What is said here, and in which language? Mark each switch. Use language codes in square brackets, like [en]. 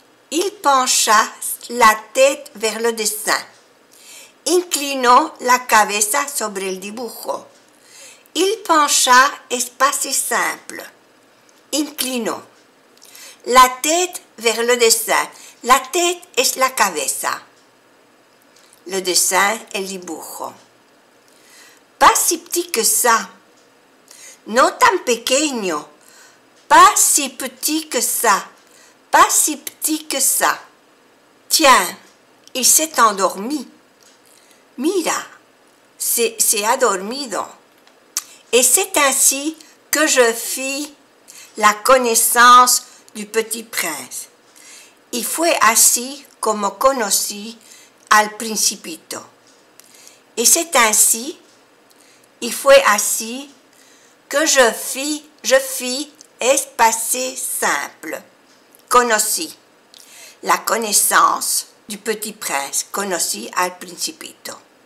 [fr] Il pencha la tête vers le dessin. [es] Inclinó la cabeza sobre el dibujo. [fr] Il pencha es pasé simple. Inclinó. La tête vers le dessin. La tête es [es] la cabeza. [fr] Le dessin, [es] el dibujo. [fr] Pas si petit que ça. [es] No tan pequeño. [fr] Pas si petit que ça. Pas si petit que ça. Tiens, il s'est endormi. [es] Mira, se ha dormido. [fr] Et c'est ainsi que je fis la connaissance du petit prince. [es] Y fue así como conocí al principito. [fr] Et c'est ainsi, [es] y fue así, [fr] que je fis, es passé simple. Conocí, la connaissance du petit prince, [es] conocí al principito.